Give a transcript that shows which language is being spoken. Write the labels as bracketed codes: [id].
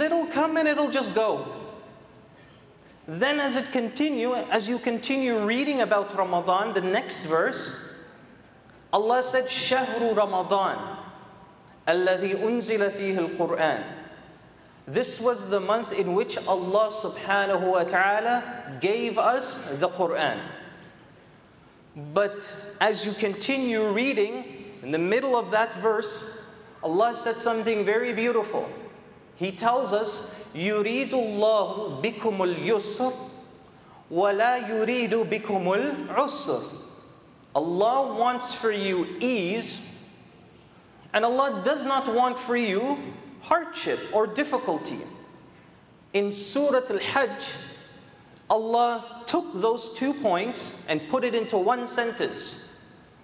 [en] It'll come and it'll just go. Then as you continue reading about Ramadan, the next verse, Allah said, [ar] شهر رمضان الذي أنزل فيه القرآن. [en] This was the month in which Allah subhanahu wa ta'ala gave us the Qur'an. But as you continue reading, in the middle of that verse, Allah said something very beautiful. He tells us, [ar] يريد الله بكم اليسر ولا يريد بكم العسر. [en] Allah wants for you ease, and Allah does not want for you hardship or difficulty. In Surah Al-Hajj, Allah took those two points and put it into one sentence.